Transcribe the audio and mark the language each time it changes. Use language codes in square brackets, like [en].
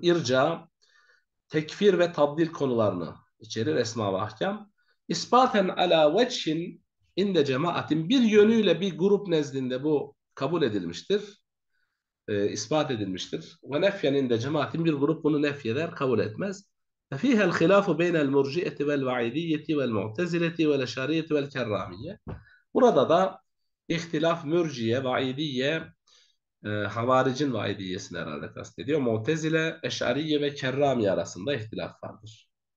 [tr] İrca, tekfir ve taddil konularını içerir esma ve ahkam. [ar] İspaten ala veçhin inde cemaatin, [tr] bir yönüyle bir grup nezdinde bu kabul edilmiştir. İspat edilmiştir. Ve [ar] nefyen inde cemaatin, [tr] bir grup bunu nefyeder, kabul etmez. [ar] فيها الخلاف بين المرجئة والوعيدية والمعتزلة والأشعرية والكرامية. [tr] Burada da ihtilaf mürciye, vaidiye, havaricin vaidiyesini herhalde kastediyor. Mu'tezile, eşariye ve kerramiye arasında ihtilaf vardır.